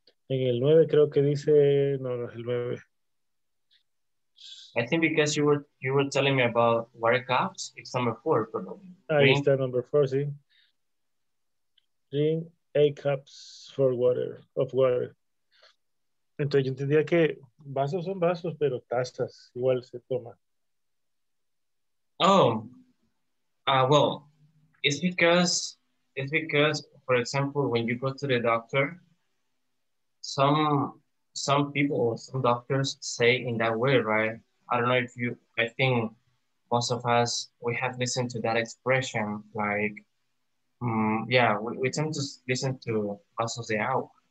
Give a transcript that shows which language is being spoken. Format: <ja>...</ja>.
<es>En el 9 creo que dice, no es el 9.</es> <en>I think because you were telling me about workouts, it's number 4 probably. Ah, it's the number 4, sí. Drink 8 cups of water.</en> <es>Entonces yo entendía que vasos son vasos, pero tazas igual se toma.</es> <en>Well, it's because, for example, when you go to the doctor, some people, some doctors say in that way, right? I don't know if you, I think most of us, we have listened to that expression, like, we tend to listen to</en> <es>pasos de agua.</es>